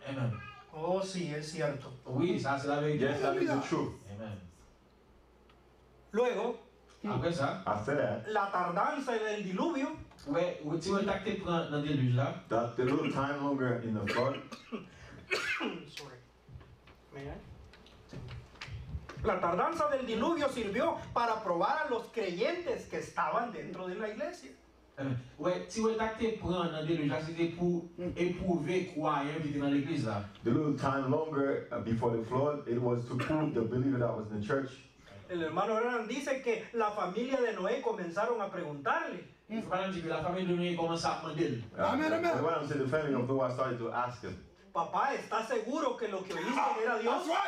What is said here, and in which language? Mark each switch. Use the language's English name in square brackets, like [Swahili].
[Spanish] Amen. Oh, sí, es cierto. [English] Yes, that is the truth. Amen. [Spanish] Luego. [English] After that, [Spanish] la tardanza del diluvio. [English] That the little time longer in the flood. Sorry. [Spanish] La tardanza del diluvio sirvió para probar a los creyentes que estaban dentro de la iglesia. [English] The little time longer before the flood, it was to prove the believer that was in the church. [Spanish] El hermano Hernán dice que la familia de Noé comenzaron a preguntarle. La familia de Noé comenzó a preguntarle. Papá, ¿estás seguro que lo que oíste era Dios?